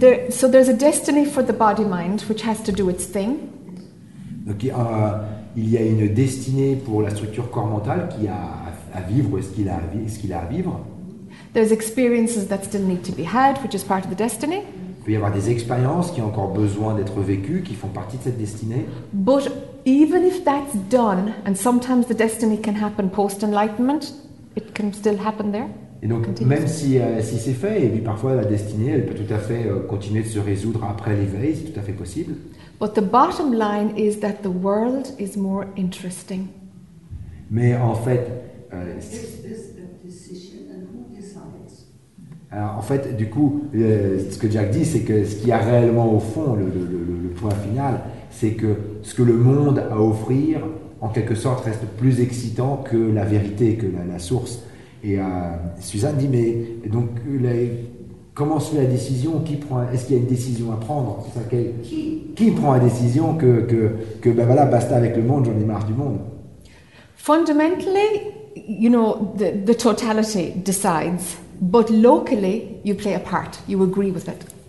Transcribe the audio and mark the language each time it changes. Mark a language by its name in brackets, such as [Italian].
[English] So there's a destiny for the body mind, which has to do its thing. [French] Donc, il y a une destinée pour la structure corps-mental qui a à vivre ou ce qu'il a à vivre. [English] There's experiences that still need to be had, which is part of the destiny. [French] Il peut y avoir des expériences qui ont encore besoin d'être vécues, qui font partie de cette destinée. [English] But even if that's done, and sometimes the destiny can happen post-enlightenment, it can still happen there. [French] Et donc, même si c'est fait, et puis parfois la destinée, elle peut tout à fait continuer de se résoudre après l'éveil, c'est tout à fait possible. [English] But the bottom line is that the world is more interesting. [French] Mais en fait, [English] is this a decision and who decides? [French] Alors en fait, du coup, ce que Jack dit, c'est que ce qu'il y a réellement au fond, le point final, c'est que ce que le monde a à offrir, en quelque sorte, reste plus excitant que la vérité, que la source. Et Suzanne dit, mais donc, comment se fait la décision? Est-ce qu'il y a une décision à prendre? Qui prend la décision que ben voilà, basta avec le monde, j'en ai marre du monde? [English] Fundamentally, you know, the totality decides, but locally, you play a part, you agree with it.